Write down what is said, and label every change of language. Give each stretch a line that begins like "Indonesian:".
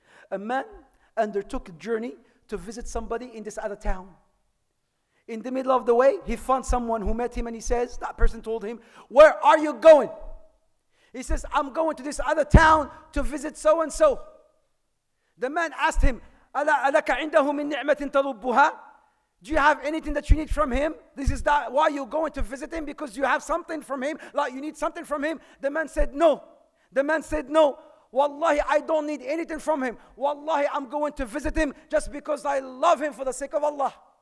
English: A man undertook a journey to visit somebody in this other town. In the middle of the way, he found someone who met him and he says, that person told him, where are you going? He says, I'm going to this other town to visit so and so. The man asked him,
Arabic: أَلَكَ عِنْدَهُ مِن نِعْمَةٍ تَلُبُّهَا?
English: Do you have anything that you need from him? This is that why you're going to visit him, because you have something from him, like you need something from him. The man said, no. The man said, no. Wallahi, I don't need anything from him. Wallahi, I'm going to visit him just because I love him for the sake of Allah.